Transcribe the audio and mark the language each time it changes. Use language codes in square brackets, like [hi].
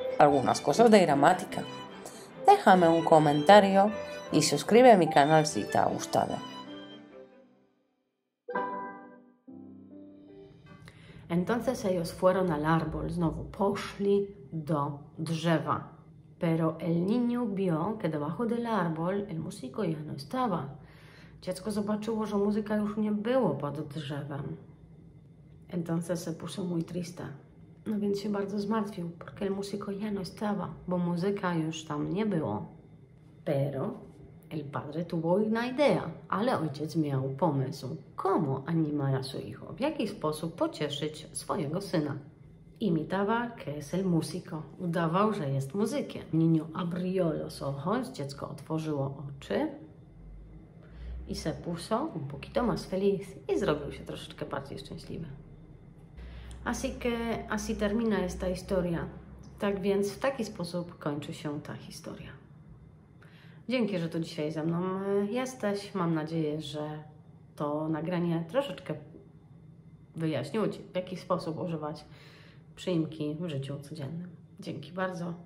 [es] algunas cosas de gramática. Déjame un comentario y suscríbete a mi canal si te ha gustado. Entonces ellos fueron al árbol, [pl] znowu poszli do drzewa. [es] Pero el niño vio que debajo del árbol el músico ya no estaba. [pl] Dziecko zobaczyło, że muzyka już nie było pod drzewem. [es] Entonces se puso muy triste. [pl] No więc się bardzo zmartwił, [es] porque el músico ya no estaba, [pl] bo muzyka już tam nie było. [es] Pero el padre tuvo una idea, [pl] ale ojciec miał pomysł. [es] Como animar a su hijo? [pl] W jaki sposób pocieszyć swojego syna? [es] Imitaba que es el músico. [pl] Udawał, że jest muzykiem. [es] Niño abrió los ojos, [pl] dziecko otworzyło oczy. [es] I se puso un poquito más feliz. [pl] I zrobił się troszeczkę bardziej szczęśliwy. [es] Así termina esta historia. [pl] Tak więc w taki sposób kończy się ta historia. Dzięki, że tu dzisiaj ze mną jesteś. Mam nadzieję, że to nagranie troszeczkę wyjaśniło ci, w jaki sposób używać przyimki w życiu codziennym. Dzięki bardzo.